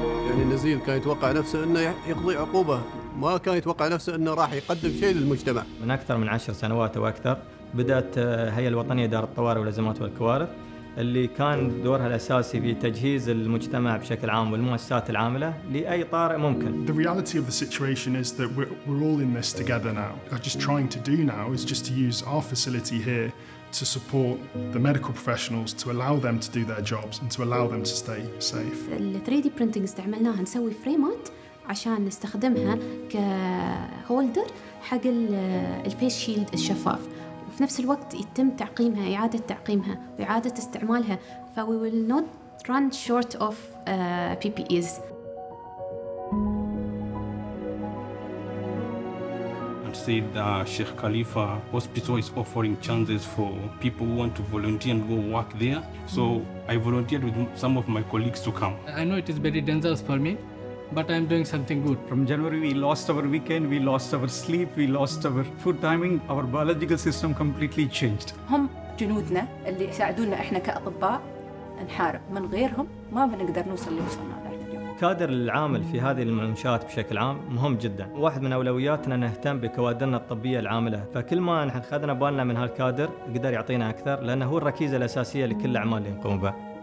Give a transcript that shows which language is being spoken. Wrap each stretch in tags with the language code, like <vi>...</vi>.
<ar>يعني النزيل كان يتوقع نفسه أنه يقضي عقوبة، ما كان يتوقع نفسه أنه راح يقدم شيء للمجتمع. من أكثر من 10 سنوات وأكثر بدأت هيئة الوطنية دار الطوارئ والأزمات والكوارث، اللي كان دورها الأساسي في تجهيز المجتمع بشكل عام والمؤسسات العاملة لأي طارئ ممكن.</ar> <en>The reality of the situation is that we're all in this together now. We're just trying to do now is just to use our facility here to support the medical professionals to allow them to do their jobs and to allow them to stay safe.</en> <ar>ال 3D printing استعملناها نسوي فريمات عشان نستخدمها كهولدر حق الفيس شيلد الشفاف. في نفس الوقت يتم تعقيمها، إعادة تعقيمها وإعادة استعمالها، ف</ar> <en>we will not run short of PPEs. And say that Sheikh Khalifa Hospital is offering chances for people who want to volunteer and go work there. So I volunteered with some of my colleagues to come. I know it is very dangerous for me, but I'm doing something good. From January, we lost our weekend, we lost our sleep, we lost our food timing, our biological system completely changed.</en> <ar>هم جنودنا اللي ساعدونا احنا كأطباء نحارب، من غيرهم ما بنقدر نوصل اللي وصلنا له اليوم. الكادر العامل في هذه المنشآت بشكل عام مهم جدا. واحد من أولوياتنا نهتم بكوادرنا الطبية العاملة، فكل ما نحن خذنا بالنا من هالكادر قدر يعطينا أكثر، لأنه هو الركيزة الأساسية لكل الأعمال اللي نقوم بها.</ar>